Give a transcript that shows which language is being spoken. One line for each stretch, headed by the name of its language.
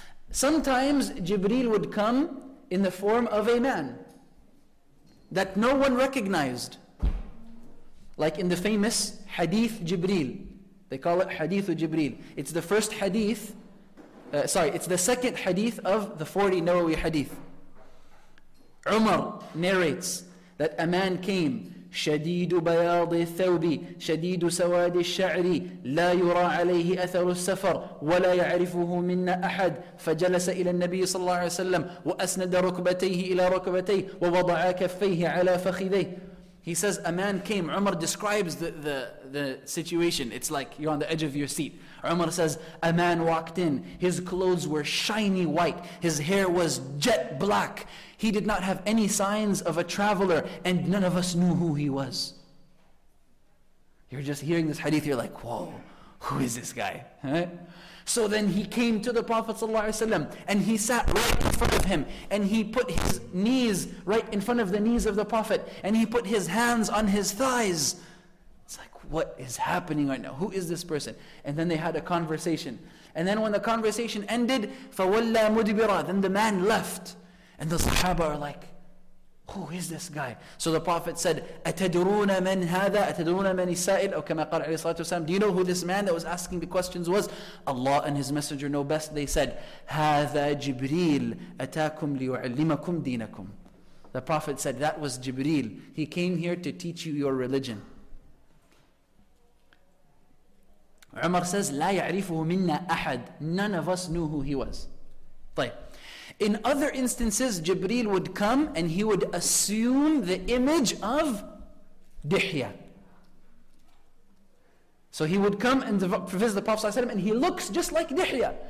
English: Sometimes Jibreel would come in the form of a man that no one recognized. Like in the famous Hadith Jibreel. They call it Hadith Jibreel. It's the first Hadith. It's the second Hadith of the 40 Nawawi Hadith. Umar narrates that a man came,
Arabic: شَدِيدُ بَيَاضِ الثَّوْبِ شَدِيدُ سَوَادِ الشَّعْرِ لَا يُرَى عَلَيْهِ أَثَرُ السَّفَرِ وَلَا يَعْرِفُهُ مِنَّا أَحَدٍ فَجَلَسَ إِلَى النَّبِيِّ صَلَّى اللَّهُ عَلَيْهِ وَسَلَّمَ وَأَسْنَدَ رُكْبَتَيْهِ إِلَى رُكْبَتَيْهِ وَوَضَعَ كَفَّيْهِ عَلَى فَخِذَيْهِ.
English: He says a man came. Umar describes the situation. It's like you're on the edge of your seat. Umar says a man walked in. His clothes were shiny white. His hair was jet black. He did not have any signs of a traveler, and none of us knew who he was. You're just hearing this hadith, you're like, whoa, who is this guy? Right? So then he came to the Prophet ﷺ and he sat right in front of him, and he put his knees right in front of the knees of the Prophet, and he put his hands on his thighs. It's like, what is happening right now? Who is this person? And then they had a conversation. And then when the conversation ended,
Arabic: فَوَلَّى مُدْبِرًا,
English: then the man left. And the Sahaba are like, who is this guy? So the Prophet said,
Arabic: أَتَدْرُونَ مَنْ هَذَا أَتَدْرُونَ مَنْ يسائل, أو كما قال عليه الصلاة والسلام,
English: do you know who this man that was asking the questions was? Allah and His Messenger know best. They said,
Arabic: هَذَا جِبْرِيلَ أَتَاكُمْ لِيُعَلِّمَكُمْ دِينَكُمْ.
English: The Prophet said, that was Jibreel. He came here to teach you your religion. Umar says,
Arabic: لَا يَعْرِفُهُ مِنَّا أَحَدٌ.
English: None of us knew who he was.
Arabic: طيب.
English: In other instances, Jibreel would come and he would assume the image of Dihya. So he would come and visit the Prophet ﷺ and he looks just like Dihya.